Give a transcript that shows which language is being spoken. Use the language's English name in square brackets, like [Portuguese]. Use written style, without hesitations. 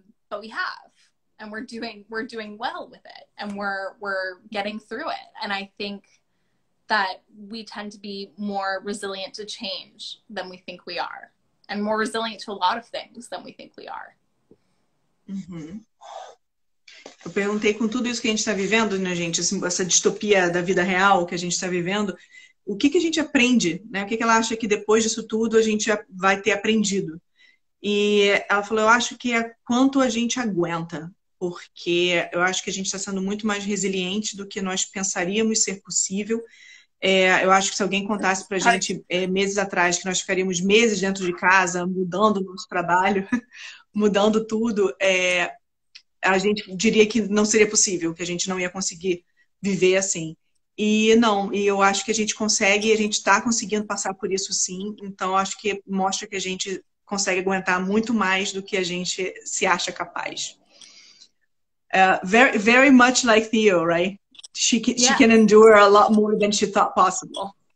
[English] But we have, and we're doing well with it, and we're getting through it. And I think that we tend to be more resilient to change than we think we are, and more resilient to a lot of things than we think we are. [Portuguese] Eu perguntei, com tudo isso que a gente está vivendo, né, gente, assim, essa distopia da vida real que a gente está vivendo, o que que a gente aprende, né? O que que ela acha que depois disso tudo a gente vai ter aprendido? E ela falou: eu acho que é quanto a gente aguenta, porque eu acho que a gente está sendo muito mais resiliente do que nós pensaríamos ser possível. Eu acho que se alguém contasse para a gente meses atrás que nós ficaríamos meses dentro de casa, mudando o nosso trabalho, mudando tudo, a gente diria que não seria possível, que a gente não ia conseguir viver assim. E não, e eu acho que a gente consegue, a gente está conseguindo passar por isso sim, então acho que mostra que a gente consegue aguentar muito mais do que a gente se acha capaz. [English] Very, very much like Theo, right? She can Yes. endure a lot more than she thought possible.